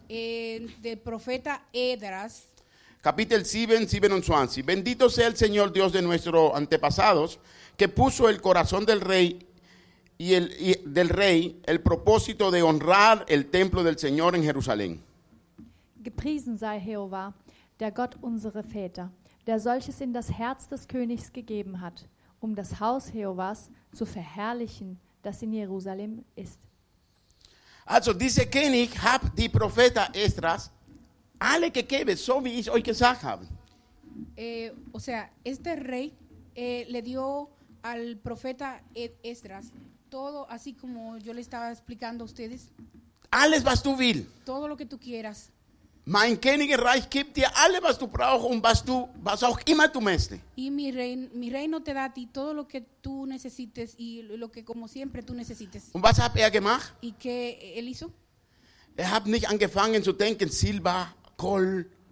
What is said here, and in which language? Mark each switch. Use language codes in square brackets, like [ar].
[es] Del profeta Esdras. [de] Kapitel 7, 27. [es] Bendito sea el Señor Dios de nuestros antepasados, que puso el corazón del rey el propósito de honrar el templo del Señor en Jerusalén. [de] Gepriesen sei Jehová, der Gott unserer Väter, der solches in das Herz des Königs gegeben hat, um das Haus Jehovas zu verherrlichen, das in Jerusalem ist. Also dieser König hat die Propheten Esdras alle gegeben, so wie ich euch gesagt habe. [es] Este rey le dio al profeta Esdras todo, así como yo le estaba explicando a ustedes. [de] Alles was du will. [es] Todo lo que tú quieras. [de] Mein Königreich gibt dir alles was du brauchst und was du was auch immer du möchtest. [es] Y mi reino te da a ti todo lo que tú necesites y lo que como siempre tú necesites. [de] Und was hat er gemacht? [es] ¿Y qué él hizo? [de] Er hat nicht angefangen zu denken Silber, Gold.